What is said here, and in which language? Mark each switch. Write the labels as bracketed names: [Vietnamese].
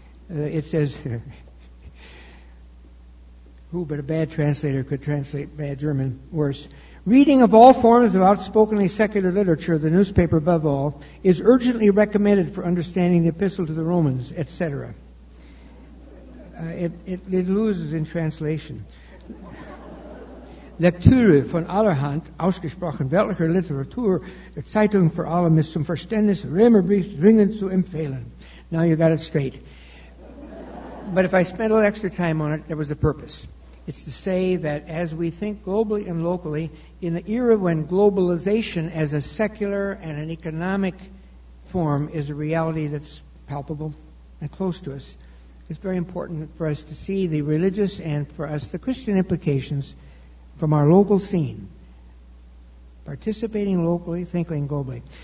[English] It says, who but a bad translator could translate bad German worse? Reading of all forms of outspokenly secular literature, the newspaper above all, is urgently recommended for understanding the Epistle to the Romans, etc. It loses in translation. [German] Lektüre von allerhand ausgesprochen weltlicher Literatur, Zeitung für alle mit zum Verständnis, Römerbrief dringend zu empfehlen. [English] Now you got it straight. But if I spent a little extra time on it, there was a purpose. It's to say that as we think globally and locally, in the era when globalization as a secular and an economic form is a reality that's palpable and close to us, it's very important for us to see the religious and for us the Christian implications from our local scene, participating locally, thinking globally.